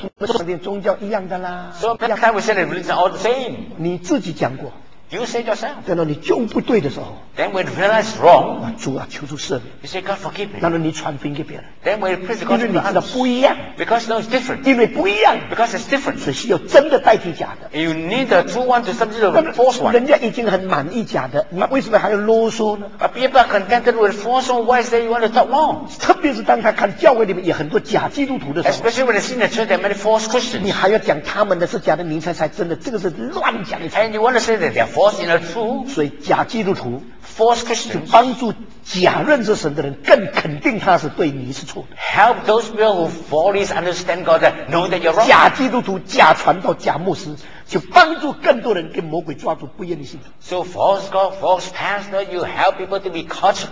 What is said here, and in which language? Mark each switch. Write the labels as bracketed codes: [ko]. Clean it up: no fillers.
[zh] 我们相信宗教一样的啦。 [en] So many times we say that religion all the same。 [zh] 你自己讲过。 [en] You say yourself。 [zh] 等到你就不对的时候。 [en] Then we realize wrong。 [zh] 主啊，求主赦免。 [en] You say God forgive me。 [zh] 等到你传福音给别人。 [en] Then we preach the gospel。 [zh] 因为你知道不一样。 [en] Because no, it's different。 [zh] 因为不一样。 [en] Because it's different。 [zh] 所以需要真的代替假的。 [en] You need the true one to substitute the false one。 [zh] 人家已经很满意假的，那为什么还要啰嗦呢 [en] ？But people are contented with false one. Why is that you want to talk wrong？ [zh] 特别是当他看教会里面有很多假基督徒的时候。 [en] Especially when they see the church there are many false Christians。 [zh] 你还要讲他们的是假的，你才真的，这个是乱讲。 [en] And you want to say that they're false in the true？ [zh] 所以假基督徒。 [en] False Christians [zh] 就帮助假认识神的人更肯定他是对你是错的。 [en] Help those people who fully understand God that know that you're wrong. [zh] 假基督徒、假传道、假牧师，就帮助更多人跟魔鬼抓住，不愿意信主。 [en] So false God, false pastor, you help people to be caught.